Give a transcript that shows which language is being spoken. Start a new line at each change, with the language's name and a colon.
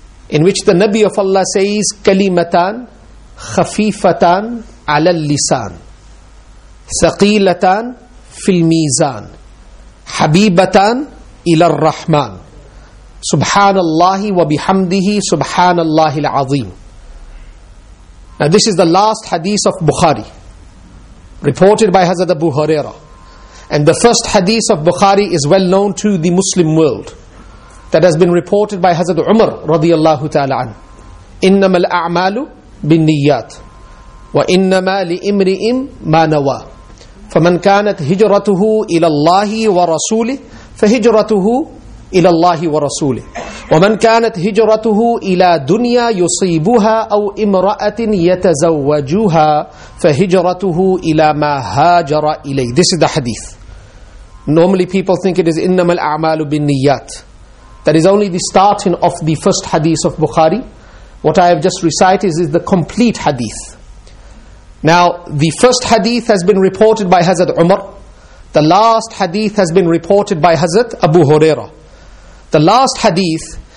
English: in which the Nabi of Allah says,
Arabic: كَلِمَتَان خَفِيفَتَان عَلَى اللِّسَان ثَقِيلَتَان فِي الْمِيزَان حَبِيبَتَان إِلَى الرَّحْمَان سُبْحَانَ اللَّهِ وَبِحَمْدِهِ سُبْحَانَ اللَّهِ الْعَظِيمِ.
English: Now this is the last hadith of Bukhari, reported by Hazrat Abu Huraira. And the first hadith of Bukhari is well known to the Muslim world, that has been reported by Hazrat Umar radiallahu ta'ala an,
Arabic: إِنَّمَا الْأَعْمَالُ بِالنِّيَّاتِ وَإِنَّمَا لِإِمْرِئٍ مَا نَوَى فَمَنْ كَانَتْ هِجْرَتُهُ إِلَى اللَّهِ وَرَسُولِهِ فَهِجْرَتُهُ إِلَى اللَّهِ وَرَسُولِهِ وَمَنْ كَانَتْ هِجْرَتُهُ إِلَى دُنْيَا يُصِيبُهَا أَوْ إِمْرَأَةٍ يَتَزَوَّجُهَا فَهِجْرَتُهُ إِلَى مَا هَاجَرَ إِلَيْهِ.
English: This is the hadith. Normally people think it is
Arabic: إِنَّمَا الْأَعْمَالُ بِالنِّيَّاتِ.
English: That is only the starting of the first hadith of Bukhari. What I have just recited is the complete hadith. Now, the first hadith has been reported by Hazrat Umar. The last hadith has been reported by Hazrat Abu Huraira. The last hadith